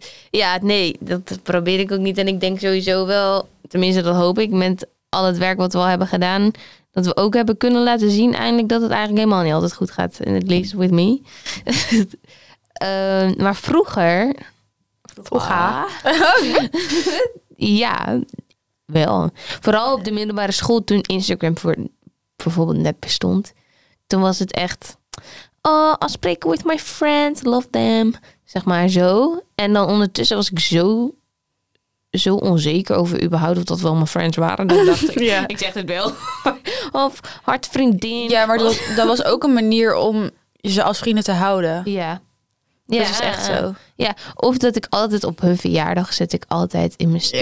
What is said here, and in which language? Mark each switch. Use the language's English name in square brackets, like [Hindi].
[Dutch] Ja, nee, dat probeer ik ook niet. En ik denk sowieso wel, tenminste dat hoop ik, met al het werk wat we al hebben gedaan, dat we ook hebben kunnen laten zien eindelijk dat het eigenlijk helemaal niet altijd goed gaat. [English] At least with me. [Dutch] maar vroeger. Vroeger. Ja. Wel. Vooral op de middelbare school, toen Instagram voor bijvoorbeeld net bestond. Toen was het echt, [English] oh, I'll speak with my friends, love them. [Dutch] Zeg maar zo. En dan ondertussen was ik zo onzeker over überhaupt of dat wel mijn friends waren. Dan dacht ik, ja. Ik zeg het wel. Of hart vriendin. Ja, maar dat was ook een manier om ze als vrienden te houden. Ja. Ja, dat is echt zo. Ja, of dat ik altijd op hun verjaardag zet ik altijd in mijn story.